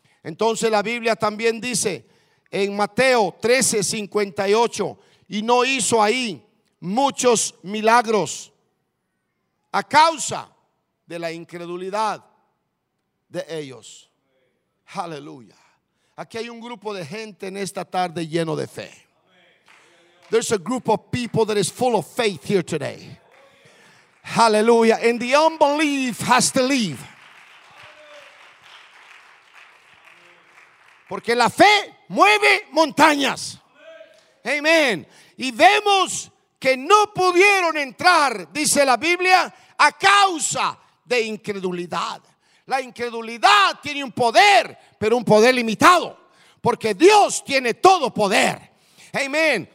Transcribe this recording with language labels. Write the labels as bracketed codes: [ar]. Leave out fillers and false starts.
[es] Entonces la Biblia también dice en Mateo 13:58: y no hizo ahí muchos milagros a causa de la incredulidad de ellos. Aleluya. Aquí hay un grupo de gente en esta tarde lleno de fe. [en] There's a group of people that is full of faith here today. Aleluya. And the unbelief has to leave. [es] Porque la fe mueve montañas. Amén. Y vemos que no pudieron entrar, dice la Biblia, a causa de incredulidad. La incredulidad tiene un poder, pero un poder limitado, porque Dios tiene todo poder. Amén.